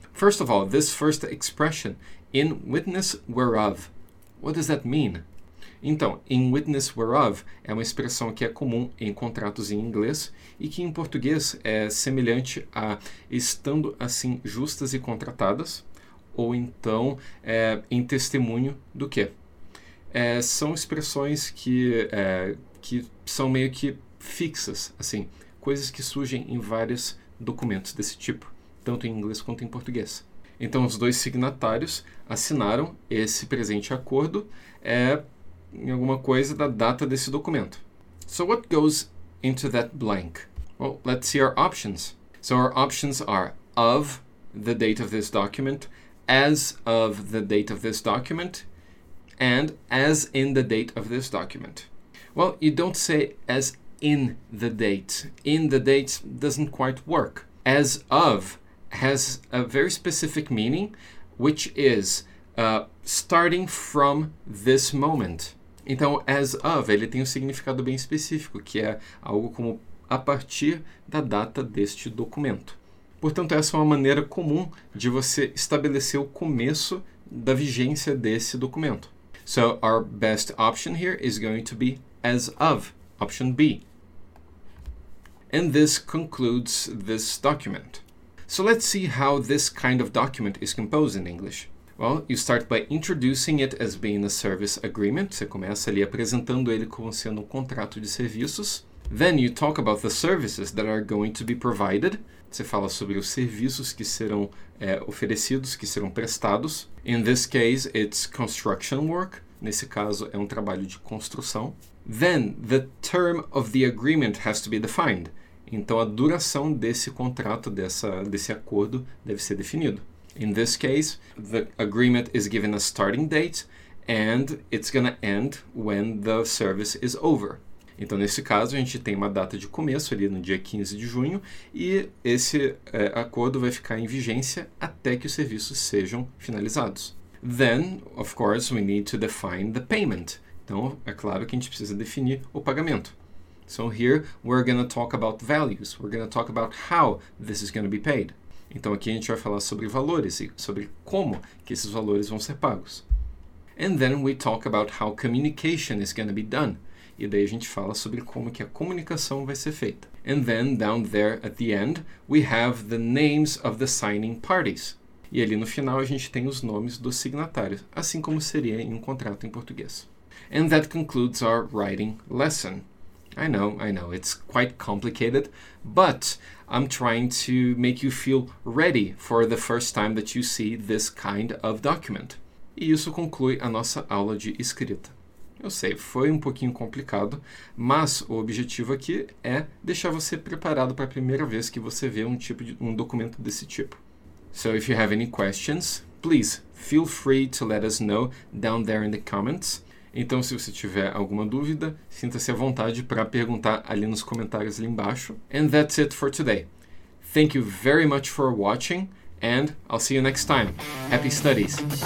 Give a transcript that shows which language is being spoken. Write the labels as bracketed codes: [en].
[en] First of all, this first expression, in witness whereof, what does that mean? [pt] Então, [en] in witness whereof [pt] é uma expressão que é comum em contratos em inglês e que em português é semelhante a estando assim justas e contratadas ou então em testemunho do quê? São expressões que são meio que fixas, assim, coisas que surgem em vários documentos desse tipo, tanto em inglês quanto em português. Então, os dois signatários assinaram esse presente acordo em alguma coisa da data desse documento. [en] So, what goes into that blank? Well, let's see our options. So, our options are of the date of this document, as of the date of this document, and as in the date of this document. Well, you don't say as in the date. In the date doesn't quite work. As of has a very specific meaning, which is starting from this moment. [pt] Então, as of, ele tem um significado bem específico, que é algo como a partir da data deste documento. Portanto, essa é uma maneira comum de você estabelecer o começo da vigência desse documento. [en] So, our best option here is going to be as of, option B. And this concludes this document. So, let's see how this kind of document is composed in English. Well, you start by introducing it as being a service agreement. [pt] Você começa ali apresentando ele como sendo um contrato de serviços. [en] Then you talk about the services that are going to be provided. [pt] Você fala sobre os serviços que serão oferecidos, que serão prestados. [en] In this case, it's construction work. [pt] Nesse caso, é um trabalho de construção. [en] Then the term of the agreement has to be defined. [pt] Então, a duração desse contrato, desse acordo, deve ser definido. [en] In this case, the agreement is given a starting date and it's going to end when the service is over. [pt] Então, nesse caso, a gente tem uma data de começo ali no dia 15 de junho e esse acordo vai ficar em vigência até que os serviços sejam finalizados. [en] Then, of course, we need to define the payment. [pt] Então, é claro que a gente precisa definir o pagamento. [en] So here, we're going to talk about values. We're going to talk about how this is going to be paid. [pt] Então, aqui a gente vai falar sobre valores e sobre como que esses valores vão ser pagos. [en] And then we talk about how communication is going to be done. [pt] E daí a gente fala sobre como que a comunicação vai ser feita. [en] And then, down there at the end, we have the names of the signing parties. [pt] E ali no final a gente tem os nomes dos signatários, assim como seria em um contrato em português. [en] And that concludes our writing lesson. I know, it's quite complicated, but I'm trying to make you feel ready for the first time that you see this kind of document. [pt] E isso conclui a nossa aula de escrita. Eu sei, foi um pouquinho complicado, mas o objetivo aqui é deixar você preparado para a primeira vez que você vê um tipo de um documento desse tipo. [en] So if you have any questions, please feel free to let us know down there in the comments. [pt] Então, se você tiver alguma dúvida, sinta-se à vontade para perguntar ali nos comentários ali embaixo. [en] And that's it for today. Thank you very much for watching, and I'll see you next time. Happy studies!